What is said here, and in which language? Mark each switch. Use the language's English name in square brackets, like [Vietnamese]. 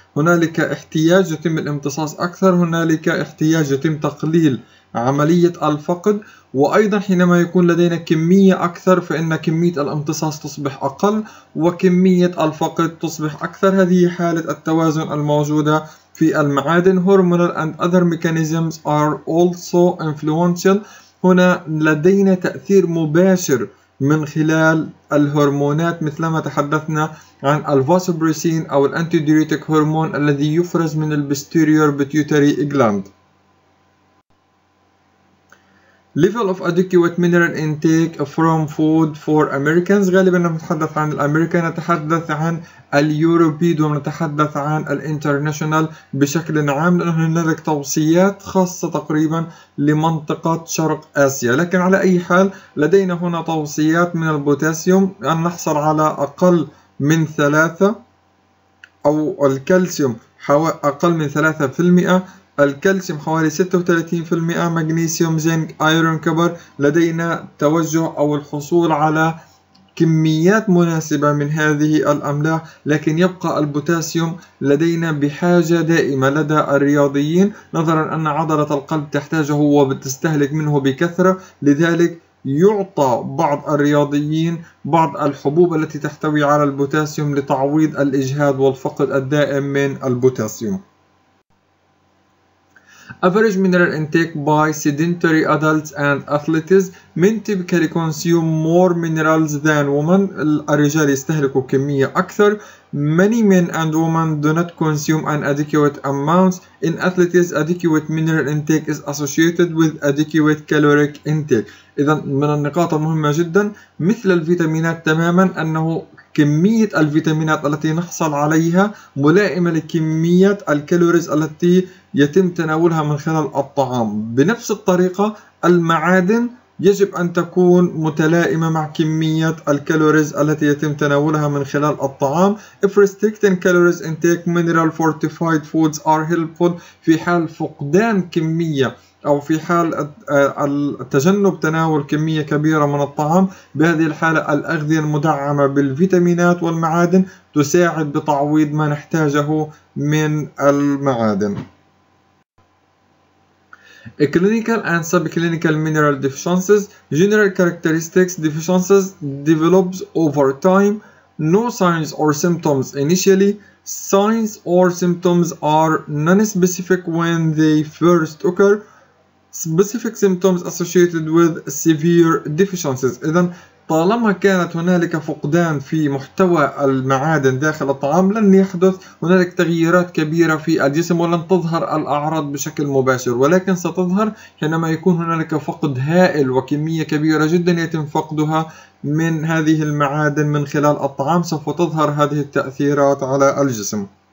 [Arabic] هنالك احتياج يتم الامتصاص اكثر، هنالك احتياج يتم تقليل عملية الفقد، وأيضا حينما يكون لدينا كمية أكثر فإن كمية الامتصاص تصبح أقل وكمية الفقد تصبح أكثر. هذه حالة التوازن الموجودة في المعادن. [English] Hormonal and other mechanisms are also influential. [Arabic] هنا لدينا تأثير مباشر من خلال الهرمونات، مثلما تحدثنا عن الفاسوبريسين أو الأنتيديوريتك هرمون الذي يفرز من البستيريور بيتيوتري إجلاند. [English] Level of adequate mineral intake from food for Americans. [Arabic] غالبا نتحدث عن الأمريكان، نتحدث عن اليوروبي، ونتحدث عن الانترناشنال بشكل عام، لأنه هناك توصيات خاصة تقريبا لمنطقة شرق آسيا. لكن على أي حال لدينا هنا توصيات من البوتاسيوم أن نحصل على أقل من 3، أو الكالسيوم أقل من 3%، الكالسيوم حوالي 36%، مغنيسيوم، زنك، ايرون، كبر. لدينا توجه او الحصول على كميات مناسبة من هذه الاملاح، لكن يبقى البوتاسيوم لدينا بحاجة دائمة لدى الرياضيين، نظرا ان عضلة القلب تحتاجه وبتستهلك منه بكثرة. لذلك يعطى بعض الرياضيين بعض الحبوب التي تحتوي على البوتاسيوم لتعويض الاجهاد والفقد الدائم من البوتاسيوم. [English] Average mineral intake by sedentary adults and athletes. Men typically consume more minerals than women. [Arabic] الرجال يستهلكوا كمية أكثر. [English] Many men and women do not consume an adequate amount. In athletes, adequate mineral intake is associated with adequate caloric intake. [Arabic] إذن من النقاط المهمة جدا مثل الفيتامينات تماما أنه كمية الفيتامينات التي نحصل عليها ملائمة لكمية الكالوريز التي يتم تناولها من خلال الطعام. بنفس الطريقة المعادن يجب أن تكون متلائمة مع كمية الكالوريز التي يتم تناولها من خلال الطعام. [English] If restricting calories intake, mineral fortified foods are helpful. [Arabic] في حال فقدان كمية أو في حال التجنب تناول كمية كبيرة من الطعام، بهذه الحالة الأغذية المدعمة بالفيتامينات والمعادن تساعد بتعويض ما نحتاجه من المعادن. [English] Clinical and subclinical mineral deficiencies. General characteristics: deficiencies develops over time. No signs or symptoms initially. Signs or symptoms are non-specific when they first occur. Specific symptoms associated with severe deficiencies. [Arabic] إذن طالما كانت هنالك فقدان في محتوى المعادن داخل الطعام لن يحدث هنالك تغييرات كبيرة في الجسم ولن تظهر الأعراض بشكل مباشر، ولكن ستظهر حينما يكون هنالك فقد هائل وكمية كبيرة جدا يتم فقدها من هذه المعادن من خلال الطعام، سوف تظهر هذه التأثيرات على الجسم.